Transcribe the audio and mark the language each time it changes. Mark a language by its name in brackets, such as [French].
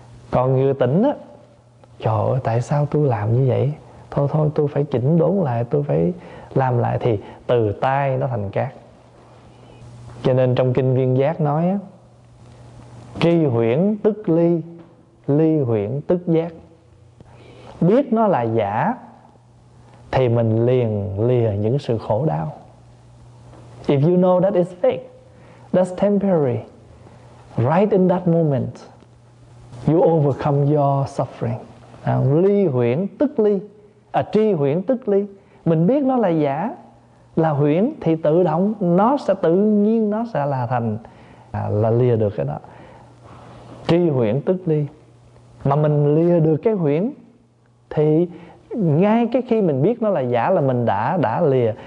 [Vietnamese] Còn người tỉnh á, trời ơi tại sao tôi làm như vậy, thôi thôi tôi phải chỉnh đốn lại, tôi phải làm lại, thì từ tai nó thành cát. Cho nên trong kinh Viên Giác nói á, tri huyễn tức ly, ly huyễn tức giác. Biết nó là giả thì mình liền lìa những sự khổ đau. [English] If you know that it's fake, that's temporary, right in that moment you overcome your suffering. [Vietnamese] Ly huyễn tức ly, tri huyễn tức ly. Mình biết nó là giả, là huyễn, thì tự động nó sẽ tự nhiên nó sẽ là thành, là lìa được cái đó. Tri huyễn tức ly. Mà mình lìa được cái huyễn thì ngay cái khi mình biết nó là giả là mình đã lìa.